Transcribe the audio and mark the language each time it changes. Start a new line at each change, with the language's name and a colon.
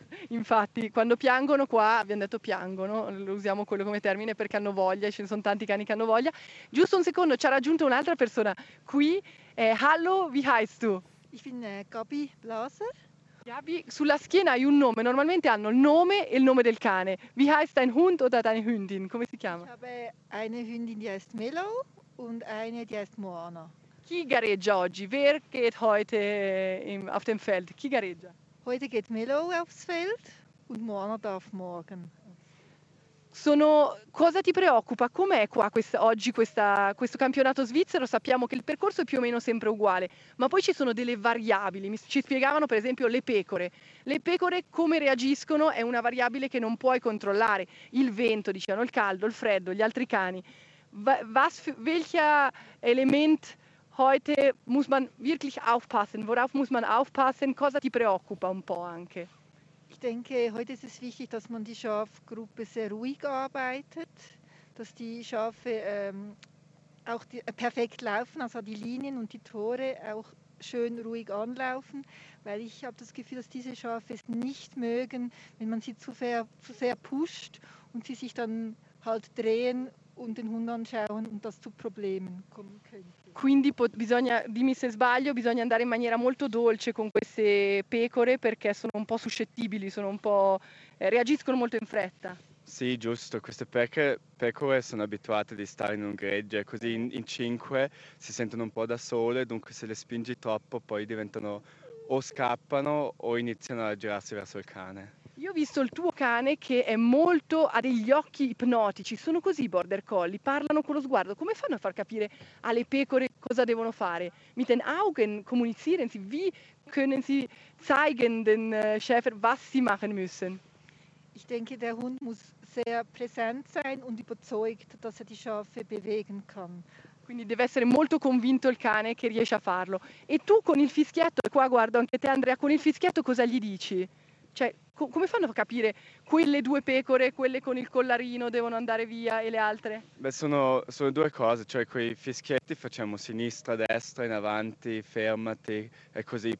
Italian: Infatti quando piangono qua, abbiamo detto piangono, usiamo quello come termine perché hanno voglia, ci sono tanti cani che hanno voglia. Giusto un secondo, ci ha raggiunto un'altra persona qui,
German: Hallo, wie heißt du? Ich bin Gabi Blaser.
Italian: Gabi, sulla schiena hai un nome, normalmente hanno il nome e il nome del cane.
German: Wie heißt dein Hund oder deine Hündin?
Italian: Come si chiama?
German: Ich habe eine Hündin, die heißt Melo und eine, die heißt Moana.
Italian: Chi gareggia oggi?
German: Wer geht heute auf dem Feld?
Italian: Chi gareggia?
German: Heute geht Melo aufs Feld und Moana darf morgen.
Italian: Cosa ti preoccupa? Com'è qua questo campionato svizzero? Sappiamo che il percorso è più o meno sempre uguale, ma poi ci sono delle variabili. Ci spiegavano per esempio le pecore. Le pecore come reagiscono è una variabile che non puoi controllare. Il vento, dicevano, il caldo, il freddo, gli altri cani.
German: Welcher Element... Heute muss man wirklich aufpassen. Worauf muss man aufpassen?
Italian: Cosa ti preoccupa un po' anche? Il
German: denke, heute ist es wichtig, dass man die Schafgruppe sehr ruhig arbeitet, dass die Schafe auch die, perfekt laufen, also die Linien und die Tore auch schön ruhig anlaufen, weil ich habe das Gefühl, dass diese Schafe es nicht mögen, wenn man sie zu sehr pusht und sie sich dann halt drehen und den Hund anschauen und das zu Problemen kommen könnte.
Italian: Quindi bisogna, dimmi se sbaglio, bisogna andare in maniera molto dolce con queste pecore perché sono un po' suscettibili, sono un po' reagiscono molto in fretta. Sì, giusto, queste pecore sono abituate di stare in un gregge, così in cinque si sentono un po' da sole, dunque se le spingi troppo poi diventano o scappano o iniziano a girarsi verso il cane. Io ho visto il tuo cane che è molto, ha degli occhi ipnotici, sono così i border collie, parlano con lo sguardo, come fanno a far capire alle pecore cosa devono fare?
German: Miten augen kommunizieren sie, wie können sie zeigen den Schäfer was sie machen müssen? Ich denke, der Hund muss sehr präsent sein und überzeugt, dass die Schafe bewegen kann.
Italian: Quindi deve essere molto convinto il cane che riesce a farlo. E tu con il fischietto, qua guardo anche te Andrea, con il fischietto cosa gli dici? Cioè, come fanno a capire quelle due pecore, quelle con il collarino devono andare via e le altre? Beh, sono due cose, cioè quei fischietti facciamo sinistra, destra, in avanti, fermati e così.